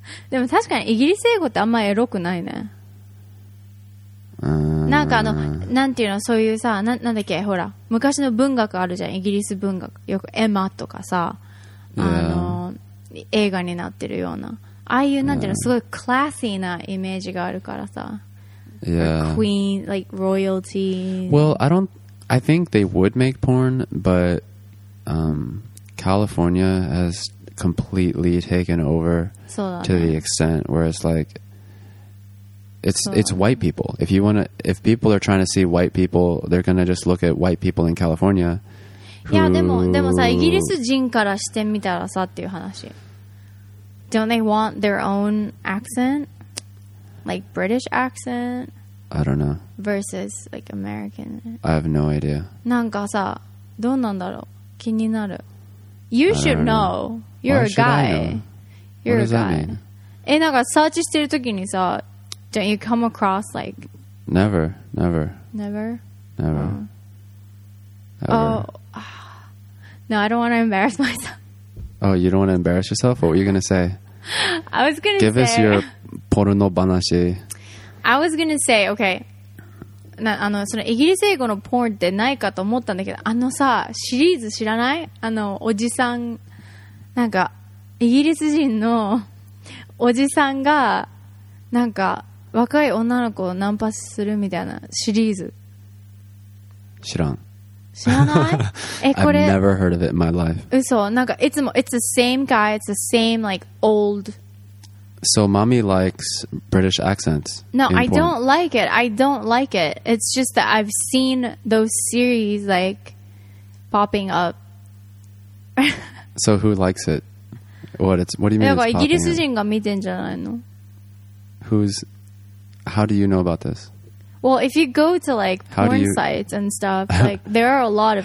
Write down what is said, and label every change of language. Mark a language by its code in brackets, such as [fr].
[ja] でも確かにイギリス英語ってあんまエロくないね。なんかあのなんていうのそういうさ なんだっけほら昔の文学あるじゃんイギリス文学よくエマとかさ、 [en] yeah. [ja] 映画になってるようなああいうなんていうの、yeah. すごいクラッシーなイメージがあるからさ、 [en] yeah. like、Queen like royalty well I think they would make porn but California has completely taken over to the extent where it's likeit's white people. If people are trying to see white people, they're gonna just look at white people in California. [ja] Yeah, でもさ、イギリス人からしてみたらさっていう話。 [en] Don't they want their own accent, like British accent? I don't know. Versus like American. I have no idea. [ja] なんかさ、どうなんだろう。気になる。 [en] You should know. You're a guy. You're a guy. What does that mean? [ja] なんかサーチしてるときにさ。 [en] Don't you come across like... Never, never. Never? Never. Oh. No, I don't want to embarrass myself. Oh, you don't want to embarrass yourself? What were you going to say? I was going to say... Give us your porno 話. I was going to say, okay. [ja] イギリス英語のポーンってないかと思ったんだけど、シリーズ知らない？おじさん、なんか、イギリス人のおじさんが、なんか、若い女の子をナンパするみたいなシリーズ知らん知らないこれ [en] I've never heard of it in my life [ja] 嘘なんかいつも [en] It's the same guy It's the same like old So mommy likes British accents No I don't like it I don't like it It's just that I've seen those series like popping up So who likes it? What do you mean it's popping [ja] up? イギリス人が見てんじゃないの [en] Who's How do you know about this? Well, if you go to like porn sites and stuff, like there are a lot of